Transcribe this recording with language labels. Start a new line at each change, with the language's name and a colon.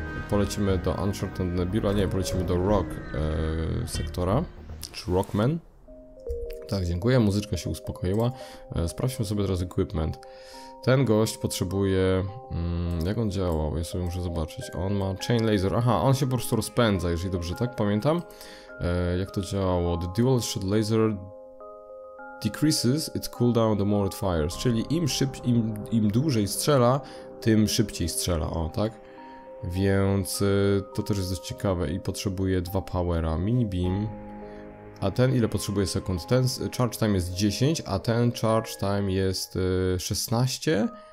Polish: Polecimy do Uncharted Nebula, nie, polecimy do Rock sektora. Czy Rockman. Tak, dziękuję, muzyczka się uspokoiła. Sprawdźmy sobie teraz equipment. Ten gość potrzebuje... jak on działał? Ja sobie muszę zobaczyć. On ma Chain Laser. Aha, on się po prostu rozpędza, jeżeli dobrze tak pamiętam. Jak to działało?
English: The Dual Shot Laser decreases its cooldown the more it fires.
Polish: Czyli im szybciej, im dłużej strzela, tym szybciej strzela. O, tak? Więc to też jest dość ciekawe. I potrzebuje dwa powera. Mini Beam. A ten ile potrzebuje sekund? Ten charge time jest 10, a ten charge time jest 16.